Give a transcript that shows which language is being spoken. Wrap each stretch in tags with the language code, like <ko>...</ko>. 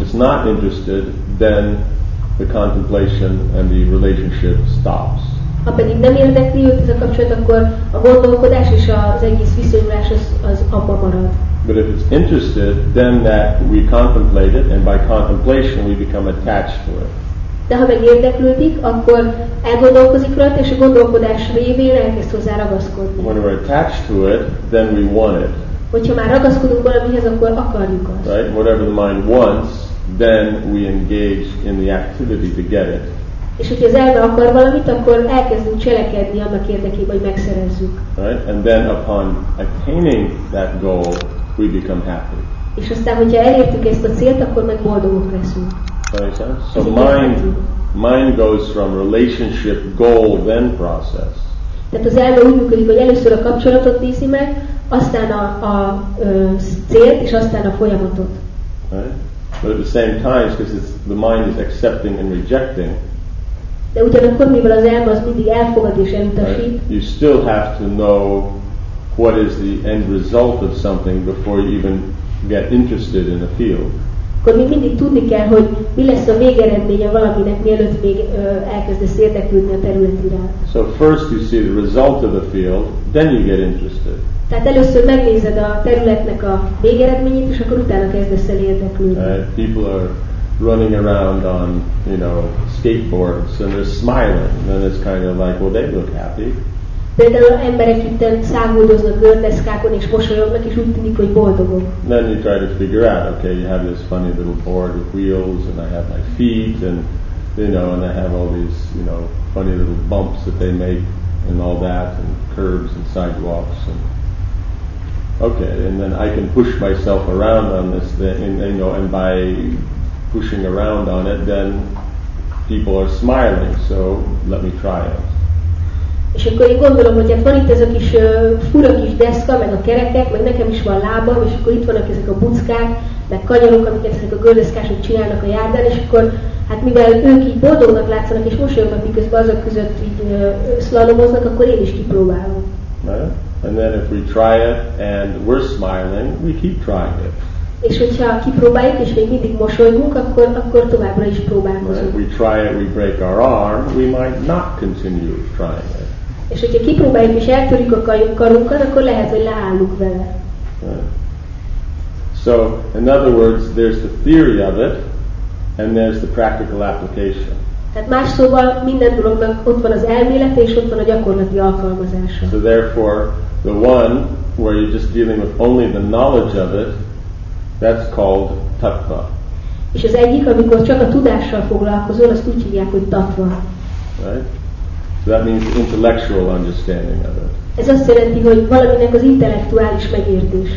<en>If it's not interested, then the contemplation and the relationship stops.</en> <hu>Ha pedig nem érdekli őt ez a kapcsolat, akkor a gondolkodás és az egész viszonyulás az abba marad.</hu> <en>But if it's interested, then that we contemplate it, and by contemplation we become attached to it.</en> <hu>De ha meg érdeklődik, akkor elgondolkozik rajta, és a gondolkodás révén elkezd hozzá ragaszkodni.</hu> <en>When we're attached to it, then we want it.</en> <hu>Hogyha már ragaszkodunk valamihez, akkor akarjuk azt.</hu> <en>Right? Whatever the mind wants, then we engage in the activity to get it.</en> <hu>És hogyha az elme akar valamit, akkor elkezdünk cselekedni annak érdekében, hogy megszerezzük.</hu> <en>Right? And then upon attaining that goal, we become happy.</en> <hu>És aztán, hogyha elértük ezt a célt, akkor meg boldogok leszünk.</hu> <en>Right, yeah? So mind goes from relationship goal then process.</en> <hu>Tehát az elme úgy működik, hogy először a kapcsolatot nézi meg, aztán a célt, és aztán a folyamatot.</hu> <en>Right? But at the same time, because the mind is accepting and rejecting,</en> <hu>de ugyanakkor, mivel az elme az mindig elfogad és elutasít.</hu> <en>Right. You still have to know what is the end result of something before you even get interested in a field.</en> <hu>Akkor még mindig tudni kell, hogy mi lesz a végeredménye valaminek, mielőtt még elkezdesz érdeklődni a terület iránt.</hu> <en>So first you see the result of the field, then you get interested.</en> <hu>Tehát először megnézed a területnek a végeredményét, és akkor utána kezdesz el érdeklődni.</hu> <en>Running around on, you know, skateboards, and they're smiling, and then it's kind of like, well, they look happy.</en> <hu>Például emberek itt szágoldoznak gördeszkákon és mosolyognak és úgy tűnik, hogy boldogok.</hu> <en>Then you try to figure out, okay, you have this funny little board with wheels and I have my feet and you know and I have all these you know funny little bumps that they make and all that and curves and sidewalks and okay and then I can push myself around on this thing and you know and by pushing around on it then people are smiling so let me try it.</en> <hu>És akkor én gondolom, hogy hát van itt ez a kis fura kis deszka, meg a kerekek, meg nekem is van lábam, és akkor itt vannak ezek a buckák, meg kanyarok, amiket ezek a gördeszkások csinálnak a járdán, és akkor hát mivel ők így boldognak látszanak, és mosolyognak, miközben azok között így szlalomoznak, akkor én is kipróbálom.</hu> <en>And then if we try it, and we're smiling, we keep trying it.</en> <hu>És hogyha kipróbáljuk, és még mindig mosolygunk, akkor továbbra is próbálkozunk.</hu> <en>If we try it, we break our arm, we might not continue trying it.</en> <hu>És hogyha kipróbáljuk, és eltörjük a karunkat, akkor lehet, hogy leállunk vele.</hu> <en>So, in other words, there's the theory of it, and there's the practical application.</en> <hu>Tehát más szóval minden dolognak ott van az elmélete, és ott van a gyakorlati alkalmazása.</hu> <en>So therefore, the one where you're just dealing with only the knowledge of it, that's called tattva.</en> <hu>És az egyik, amikor csak a tudással foglalkozol, azt úgy hívják, hogy tattva.</hu> <en>Right? So that means intellectual understanding of it.</en> <hu>Ez azt jelenti, hogy valaminek az intellektuális megértése.</hu>